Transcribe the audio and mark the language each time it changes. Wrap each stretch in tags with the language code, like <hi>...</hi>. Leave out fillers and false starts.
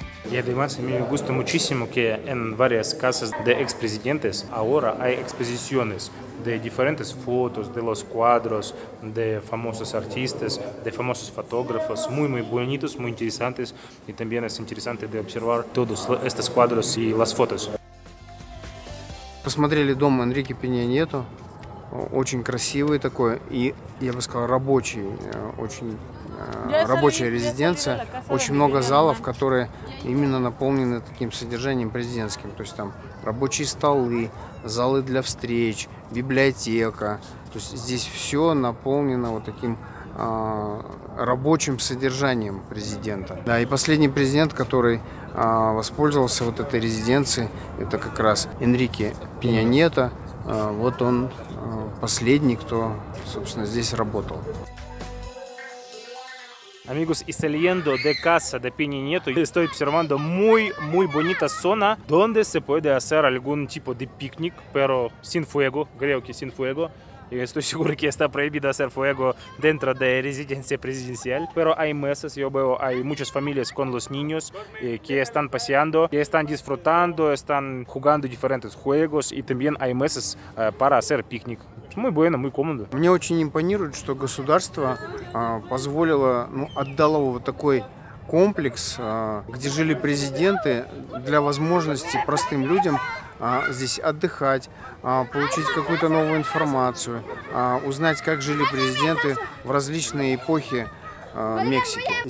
<es>Y además me gusta muchísimo que en varias casas de expresidentes ahora hay exposiciones de diferentes fotos, de los cuadros, de famosos artistas, de famosos fotógrafos, muy bonitos, muy interesantes, y también es interesante de observar todos estos cuadros y las fotos.</es> <ru>Посмотрели дом Энрике Пеньи Нету, очень красивый такой, и я бы сказал, рабочий, очень рабочая резиденция, очень много залов, которые именно наполнены таким содержанием президентским, то есть там рабочие столы, залы для встреч, библиотека, то есть здесь все наполнено вот таким рабочим содержанием президента. Да, и последний президент, который воспользовался вот этой резиденцией, это как раз Энрике Пеня Нието. Вот он последний, кто, собственно, здесь работал.</ru> <es>Amigos, y saliendo de casa de Peña Nieto, estoy observando muy bonita zona donde se puede hacer algún tipo de picnic, pero sin fuego, creo que sin fuego. Y estoy seguro que está prohibido hacer fuego dentro de residencia presidencial. Pero hay mesas, yo veo, hay muchas familias con los niños que están paseando, que están disfrutando, están jugando diferentes juegos. Y también hay mesas para hacer picnic. Muy bueno, muy cómodo.</es> <ru>Мне очень импонирует, что государство позволило, ну, отдало вот такой комплекс, где жили президенты, для возможности простым людям здесь отдыхать, получить какую-то новую информацию, узнать, как жили президенты в различные эпохи Мексики.</ru>